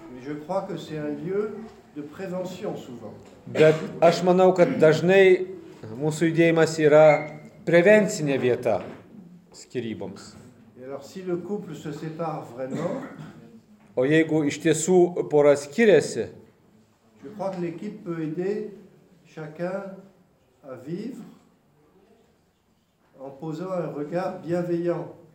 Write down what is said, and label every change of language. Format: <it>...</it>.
<fr>Je crois que c'est un lieu de prévention souvent.</fr> <lt>Bet aš manau, kad dažnai mūsų judėjimas yra prevencinė vieta skyryboms.</lt> <fr>Et alors, si le couple se sépare vraiment,</fr> <lt>o jeigu iš tiesų pora skiriasi,</lt> <fr>je crois que l'équipe peut aider chacun à vivre en posant un regard bienveillant.</fr>